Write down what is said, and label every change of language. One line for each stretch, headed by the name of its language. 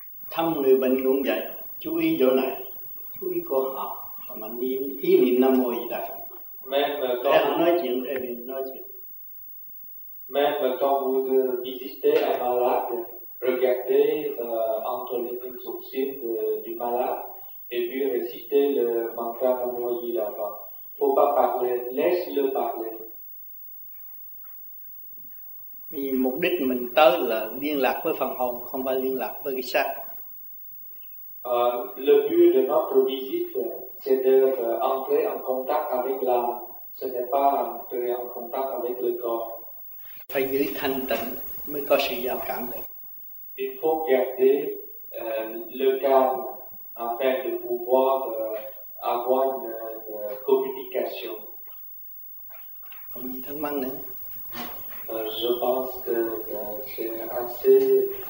Vietnamese: Thăm người bệnh cũng vậy, chú ý chỗ này, chú ý cô họ, và mà niệm ý niệm Nam Mô Di Đà Phật.
French: Même quand...
Vietnamese: Để họ nói chuyện, thầy mình nói chuyện.
French: Même quand vous visitez un malade, regardez entre les deux sourcils du malade et puis récitez le mantra Nam Mô Di Đà Phật. Faut pas parler, laisse-le parler.
Vietnamese: Vì mục đích mình tới là liên lạc với phần hồn, không phải liên lạc với cái xác.
French: Le but de notre visite, c'est de entrer en contact avec l'âme, ce n'est pas entrer en contact avec le corps.
Vietnamese: Phải giữ thanh tịnh mới có sự giao cảm được.
French: Il faut garder le calme afin de pouvoir avoir une communication.
Vietnamese: Không gì thắc mắc nữa.
French: Je pense que c'est assez.